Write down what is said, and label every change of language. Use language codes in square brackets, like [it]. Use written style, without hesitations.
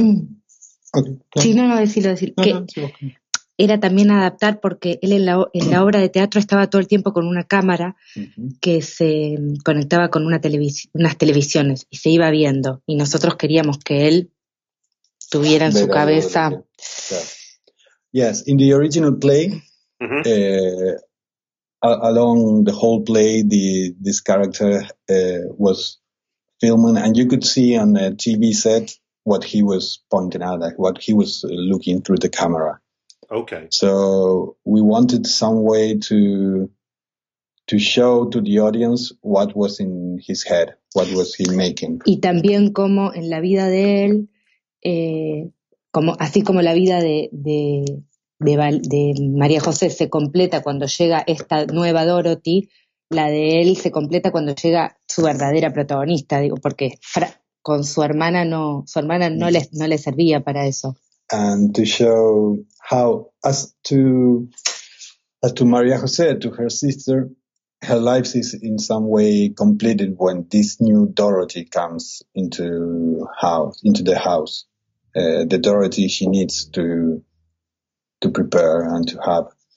[es] Okay, sí, no, decilo. No, que no, sí, okay. Era también adaptar porque él en la obra de teatro estaba todo el tiempo con una cámara que se conectaba con unas televisiones y se iba viendo. Y nosotros queríamos que él tuviera en su cabeza. [en] Yes, in the original play, along the whole play, this character was filming, and you could see on a TV set what he was pointing out, like what he was looking through the camera. Okay. So we wanted some way to show to the audience what was in his head, what was he making. [es] Y también como en la vida de él, como así como la vida de María José se completa cuando llega esta nueva Dorothy, la de él se completa cuando llega su verdadera protagonista, digo, porque con su hermana no le servía para eso. [en] And to show how as to María José, to her sister, her life is in some way completed when this new Dorothy comes into the house. The Dorothy she needs to prepare and to have.